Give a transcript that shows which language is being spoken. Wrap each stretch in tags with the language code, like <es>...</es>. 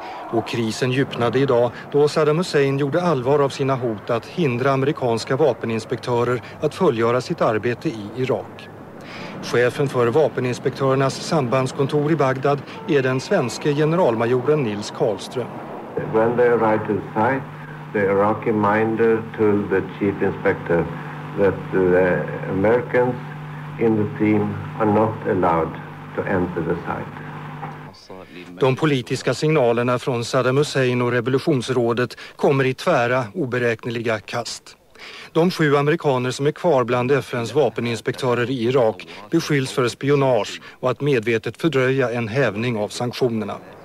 <sv>Och krisen djupnade idag då Saddam Hussein gjorde allvar av sina hot att hindra amerikanska vapeninspektörer att fullgöra sitt arbete i Irak. Chefen för vapeninspektörernas sambandskontor i Bagdad är den svenske generalmajoren Nils Karlström.</sv> <en>When they arrived to site, the Iraqi minder told the chief inspector that the Americans in the team are not allowed to enter the site.</en> <sv>De politiska signalerna från Saddam Hussein och revolutionsrådet kommer i tvära oberäkneliga kast. De sju amerikaner som är kvar bland FNs vapeninspektörer i Irak beskylls för spionage och att medvetet fördröja en hävning av sanktionerna.</sv>